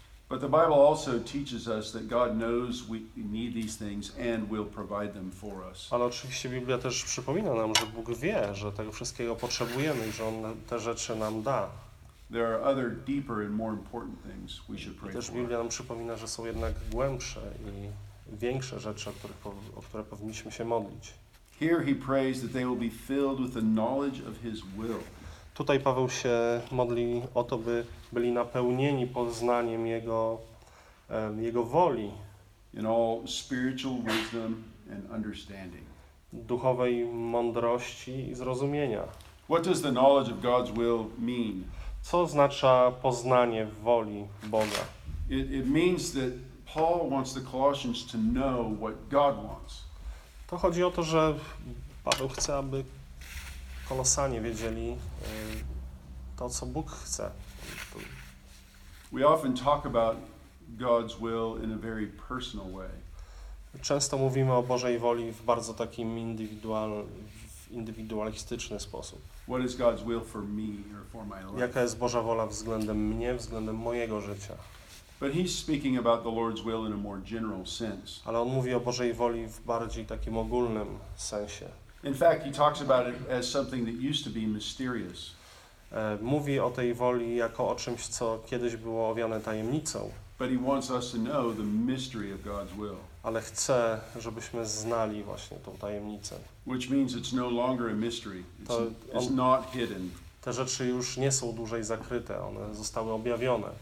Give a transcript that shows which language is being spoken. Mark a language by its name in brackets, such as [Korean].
[English] But the Bible also teaches us that God knows we need these things and will provide them for us. [Polish] Ale oczywiście Biblia też przypomina nam, że Bóg wie, że tego wszystkiego potrzebujemy i że on te rzeczy nam da. [English] There are other deeper and more important things we should pray for. [Polish] Też Biblia nam przypomina, że są jednak głębsze i większe rzeczy, o które powinniśmy się modlić. [English] Here he prays that they will be filled with the knowledge of his will. [Polish] Tutaj Paweł się modli o to, by byli napełnieni poznaniem jego woli. [English] In all spiritual wisdom and understanding. [Polish] Duchowej mądrości i zrozumienia. [English] What does the knowledge of God's will mean? [Polish] Co oznacza poznanie woli Boga? [English] It means that Paul wants the Colossians to know what God wants. [Polish] To chodzi o to, że Paweł chce, aby Kolosanie wiedzieli to, co Bóg chce. [English] We often talk about God's will in a very personal way. [Polish] Często mówimy o Bożej woli w bardzo takim indywidualistyczny sposób. [English] What is God's will for me or for my life? [Polish] Jaka jest Boża wola względem mnie, względem mojego życia? [English] But he's speaking about the Lord's will in a more general sense. [Polish] Ale on mówi o Bożej woli w bardziej takim ogólnym sensie. [English] In fact, he talks about it as something that used to be mysterious. [Polish] Mówi o tej woli jako o czymś, co kiedyś było owiane tajemnicą. [English] But he wants us to know the mystery of God's will. [Polish] Ale chce, żebyśmy znali właśnie tą tajemnicę. [English] Which means it's no longer a mystery. It's not hidden. [Polish] Te rzeczy już nie są dłużej zakryte, one zostały objawione.